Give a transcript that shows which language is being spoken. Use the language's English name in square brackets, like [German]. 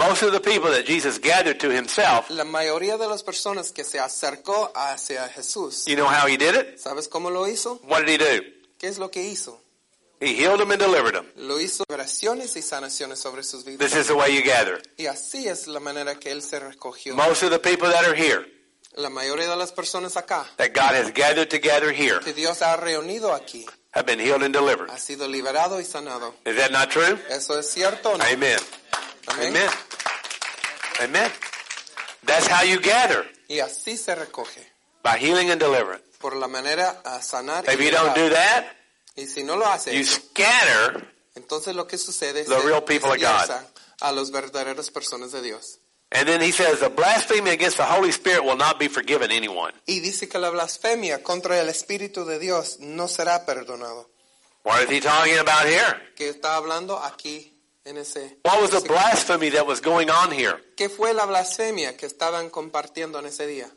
[English] Most of the people that Jesus gathered to himself. [Spanish] La mayoría de las personas que se acercó hacia Jesús. [English] You know how he did it? [Spanish] ¿Sabes cómo lo hizo? [English] What did he do? [Spanish] ¿Qué es lo que hizo? [English] He healed them and delivered them. [Spanish] Lo hizo oraciones y sanaciones sobre sus vidas. [English] This is the way you gather. [Spanish] Y así es la manera que él se recogió. [English] Most of the people that are here. [Spanish] La mayoría de las personas acá. [English] That God has gathered together here. [Spanish] Que Dios ha reunido aquí. [English] Have been healed and delivered. [Spanish] Ha sido liberado y sanado. [English] Is that not true? [Spanish] Eso es cierto, ¿no? [English] Amen. [Spanish] Amen. [English] Amen. Amen. That's how you gather. [Spanish] Y así se recoge. [English] By healing and deliverance. [Spanish] Por la manera a sanar. [English] If you don't do that, [Spanish] y si no lo hace, [English] you scatter. [Spanish] Entonces lo que sucede [English] the real people of God. [Spanish] A los verdaderos personas de Dios. [English] And then he says, "The blasphemy against the Holy Spirit will not be forgiven anyone." [Spanish] Y dice que la blasfemia contra el Espíritu de Dios no será perdonado. [English] What is he talking about here? [Spanish] ¿Qué está hablando aquí en ese? [English] What was the blasphemy that was going on here? [Spanish] ¿Qué fue la blasfemia que estaban compartiendo en ese día?